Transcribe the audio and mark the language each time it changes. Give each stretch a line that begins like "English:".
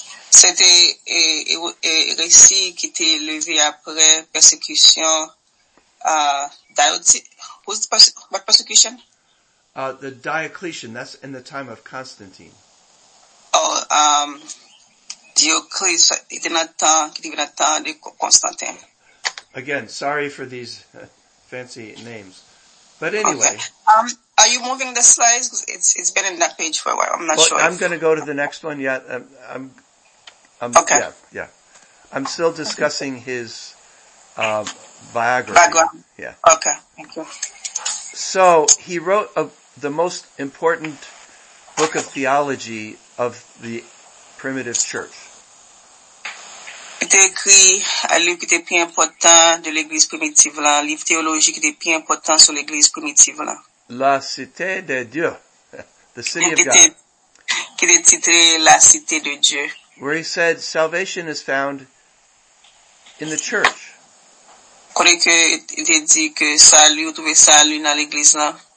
French: C'était un récit qui était levé après persécution persécution?
English: The Diocletian, that's in the time of Constantine.
French: Diocletian, qui était dans le temps de Constantin.
English: Again, sorry for these fancy names. But anyway. Okay. Are you moving the slides? It's been in that page for a while. I'm going to go to the next one. Yeah. I'm still discussing his biography. Background. Yeah. Okay. Thank you. So he wrote the most important book of theology of the primitive church.
French: Il a écrit un livre qui était plus important de l'Église primitive là, un livre théologique qui était plus important sur l'Église primitive là.
English: La Cité de Dieu, the City of God.
French: Qui est titré La Cité de Dieu.
English: Where he said salvation is found in the church.
French: Il a dit que salut, trouver salut dans l'Église là.